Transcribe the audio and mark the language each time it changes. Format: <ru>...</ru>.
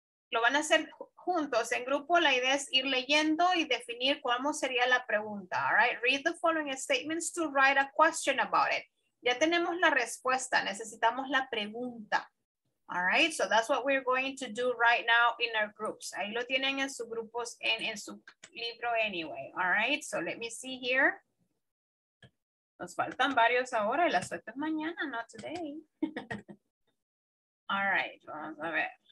<es>Lo van a hacer juntos, en grupo, la idea es ir leyendo y definir cómo sería la pregunta, all right?</es> <en>Read the following statements to write a question about it.</en> <es>Ya tenemos la respuesta, necesitamos la pregunta, all right?</es> <en>So that's what we're going to do right now in our groups.</en> <es>Ahí lo tienen en sus grupos, en su libro anyway, all right? So let me see here. Nos faltan varios ahora y la suerte es mañana,</es> <en>not today.</en> <es>All right, vamos a ver.</es>